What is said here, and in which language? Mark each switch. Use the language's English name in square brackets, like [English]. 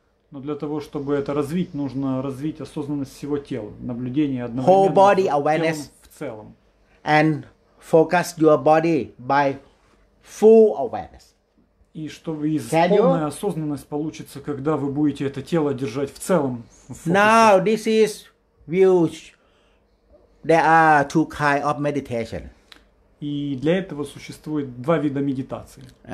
[Russian] Но для того, чтобы это развить, нужно развить осознанность всего тела, наблюдение одновременно [English] whole body awareness [Russian] в целом. [English] And focus your body by full awareness. [Russian] И чтобы из полной осознанности получится, когда вы будете это тело держать в целом. В [English] now this is huge. There are two kinds of meditation. [Russian] И для этого существует два вида медитации.